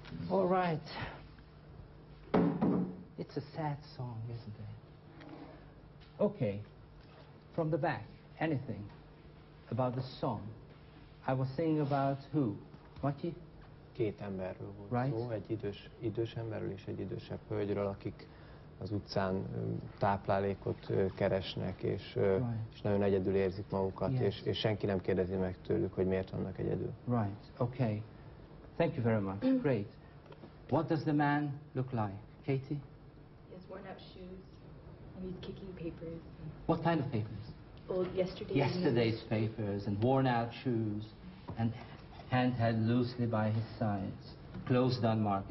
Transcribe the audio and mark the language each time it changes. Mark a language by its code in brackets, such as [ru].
[en] All right. It's a sad song, isn't it? Okay. From the back, anything about the song? I was singing about who? Matyi? [hu] Két emberről volt szó, egy idős emberről és egy idősebb hölgyről, akik az utcán táplálékot keresnek, és nagyon egyedül érzik magukat, [en] yes. [hu] és senki nem kérdezi meg tőlük, hogy miért vannak egyedül. [en] Right, okay. Thank you very much. Great. What does the man look like? Katie? He has worn out shoes, and he's kicking papers. What kind of papers? Yesterday's papers and worn out shoes and hand held loosely by his sides. Closed down market.